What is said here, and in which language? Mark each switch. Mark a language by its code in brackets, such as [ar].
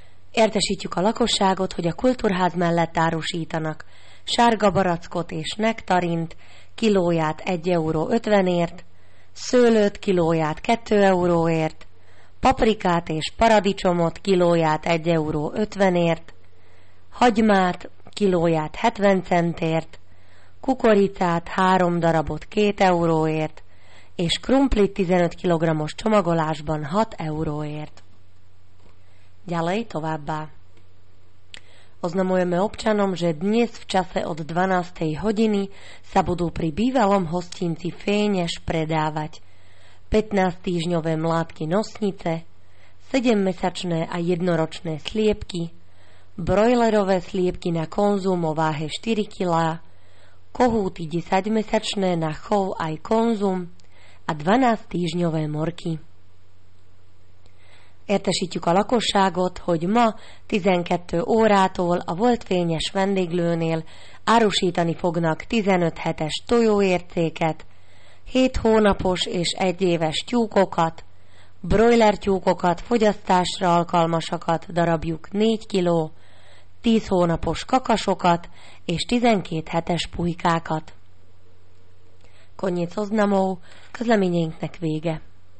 [hu] Értesítjük a lakosságot, hogy a kultúrház mellett árusítanak sárga barackot és nektarint kilóját 1 euró 50-ért, szőlőt kilóját 2 euróért, paprikát és paradicsomot kilóját 1 euró 50-ért, hagymát kilóját 70 centért, kukoricát 3 darabot 2 euróért, és krumplit 15 kg-os csomagolásban 6 euróért. [sk] Ďalej [hu] továbbá. [sk] Oznamujeme občanom, že dnes v čase od 12. hodiny sa budú pri bývalom hostinci Fénieš predávať 15-týždňové mládky nosnice, 7-mesačné a jednoročné sliepky, brojlerové sliepky na konzum o váhe 4 kg, kohúty 10-mesačné na chov aj konzum a 12-týždňové morky. [hu] Értesítjük a lakosságot, hogy ma 12 órától a volt Fényes vendéglőnél árusítani fognak 15 hetes tojóércéket, 7 hónapos és 1 éves tyúkokat, broiler tyúkokat, fogyasztásra alkalmasakat, darabjuk 4 kiló, 10 hónapos kakasokat és 12 hetes pulykákat. [sk] Konnyit oznamov, [hu] közleményeinknek vége.